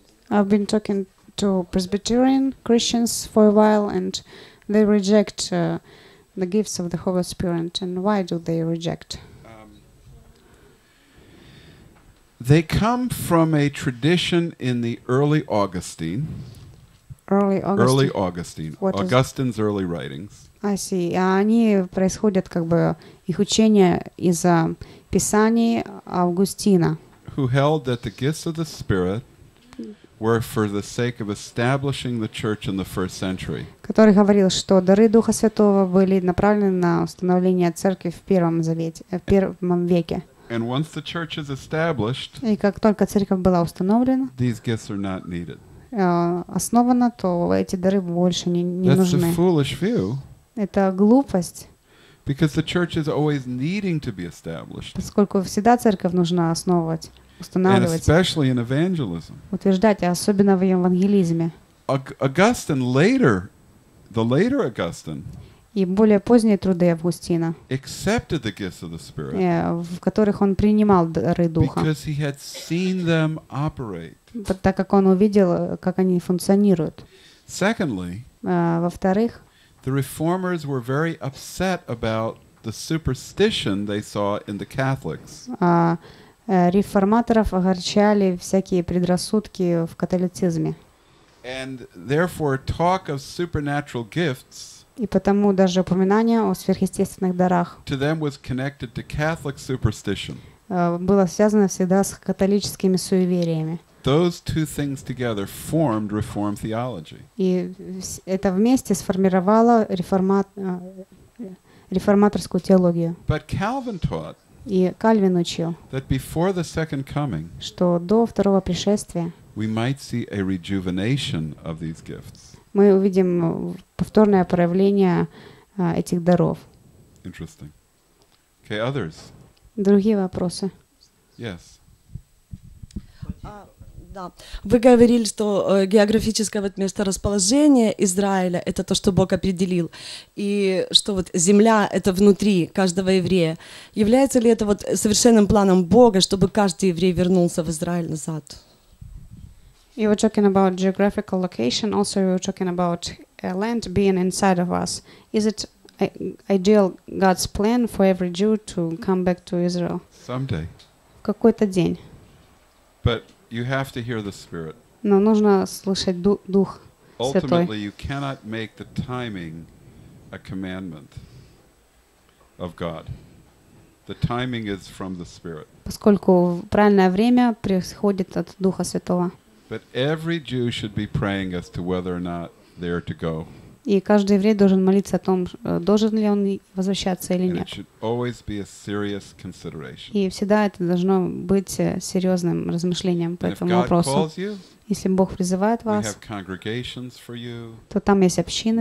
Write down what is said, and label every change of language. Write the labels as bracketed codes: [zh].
[en] I've been talking to Presbyterian Christians for a while, and they reject the gifts of the Holy Spirit. And why do they reject? They come from a tradition in the early Augustine. Early Augustine. What Augustine's is? Early writings. I see. [ru] Они происходят как бы их учение из писаний Августина. [en] Who held that the gifts of the Spirit were for the sake of establishing the church in the first century. [ru] Который говорил, что дары Духа Святого были направлены на установление церкви в первом завете, в первом веке. [en] And once the church is established, [ru] и как только церковь была установлена, [en] these gifts are not needed. [ru] Основана, то эти дары больше не нужны. [en] That's a foolish view. [ru] Это глупость. [en] Because the church is always needing to be established. [ru] Поскольку всегда церковь нужно основывать. [en] And especially in evangelism. [ru] Утверждать, особенно в евангелизме. [en] Augustine later, the later Augustine. [ru] И более поздние труды Августина. [en] Accepted the gifts of the Spirit. [ru] В которых он принимал дары духа. [en] Because he had seen them operate. [ru] Так как он увидел, как они функционируют. [en] Secondly. [ru] Во-вторых. [en] The reformers were very upset about the superstition they saw in the Catholics. [ru] Реформаторов огорчали всякие предрассудки в католицизме. [en] And therefore, talk of supernatural gifts, [ru] и потому даже упоминание о сверхъестественных дарах [en] to them was connected to Catholic superstition. [ru] Было связано всегда с католическими суевериями. [en] Those two things together formed Reformed theology. [ru] И это вместе сформировало реформаторскую теологию. [en] But Calvin taught, [ru] и Кальвин учил, [en] that before the second coming, [ru] что до второго пришествия [en] we might see a rejuvenation of these gifts. [ru] Мы увидим повторное проявление этих даров. [en] Interesting. Okay, others. [ru] Другие вопросы. [en] Yes. [ru] Да. Вы говорили, что географическое вот месторасположение Израиля — это то, что Бог определил, и что вот земля — это внутри каждого еврея. Является ли это вот совершенным планом Бога, чтобы каждый еврей вернулся в Израиль назад? [en] You were talking about geographical location, also you were talking about land being inside of us. Is it ideal God's plan for every Jew to come back to Israel? Someday. [ru] В какой-то день. [en] But you have to hear the Spirit. [ru] Но нужно слышать дух Святой. [en] Ultimately, you cannot make the timing a commandment of God. The timing is from the Spirit. [ru] Поскольку правильное время приходит от Духа Святого. [en] But every Jew should be praying as to whether or not they are to go. [ru] И каждый еврей должен молиться о том, должен ли он возвращаться или нет. [en] It should always be a serious consideration. [ru] И всегда это должно быть серьезным размышлением по этому вопросу. [en] You, [ru] если Бог призывает вас, [en] we have congregations for you, [ru] то там есть общины